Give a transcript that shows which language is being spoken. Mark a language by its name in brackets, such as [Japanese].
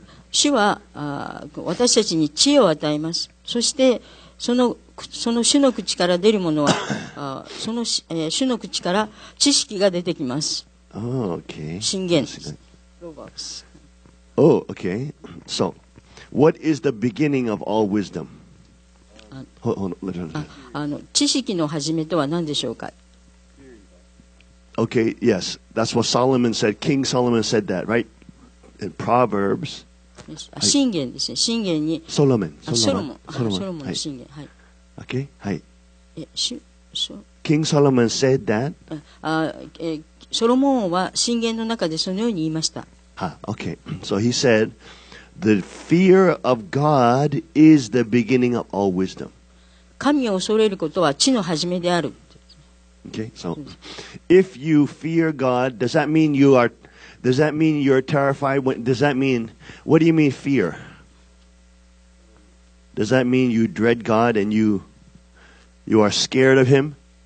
[Japanese] 主は私たちに知恵を与えます。そしてその主の口から出るものは、その主の口から知識が出てきます。 [English] Oh, okay. [Japanese] 神言。 [English] Oh, okay. So, what is the beginning of all wisdom? Hold on. [Japanese] 知識の始めとは何でしょうか? [English] Okay, yes. That's what Solomon said. King Solomon said that, right? In Proverbs. [Japanese] 神言ですね。神言に。ソロモン。はい。 [English] Okay, はい。 So, King Solomon said that. [Japanese] ソロモンは箴言の中でそのように言いました。 [English] Okay. So he said, the fear of God is the beginning of all wisdom. [Japanese] 神を恐れることは知の始めである。 [English] Okay. So, if you fear God, does that mean you're terrified? What do you mean fear? Does that mean you dread God and you are scared of Him?